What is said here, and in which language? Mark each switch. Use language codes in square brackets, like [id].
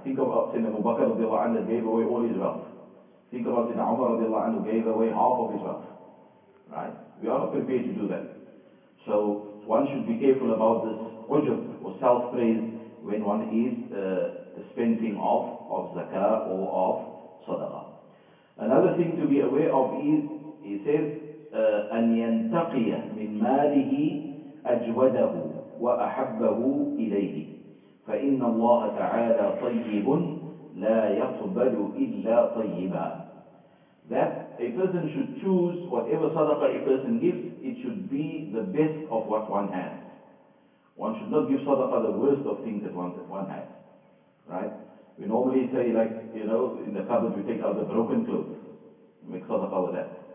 [en] Think about Sayyidina Abu Bakr radiallahu anhu gave away all his wealth. Think about Sayyidina Umar radiallahu anhu gave away half of his wealth. Right? We are not prepared to do that. So one should be careful about this ujub or self-praise when one is dispensing of zakah or of sadaqah. Another thing to be aware of is, he says, [ar] أَنْ يَنْتَقِيَ مِنْ مَالِهِ أَجْوَدَهُ وَأَحَبَّهُ إِلَيْهِ فَإِنَّ اللَّهَ تَعَالَى طَيِّبٌ لَا يَقْبَلُ إِلَّا طَيِّبًا. [en] That a person should choose whatever sadaqah a person gives, it should be the best of what one has. One should not give sadaqah the worst of things that one has, right? We normally say, like, you know, in the cupboard we take out the broken clothes, we make sadaqah with that.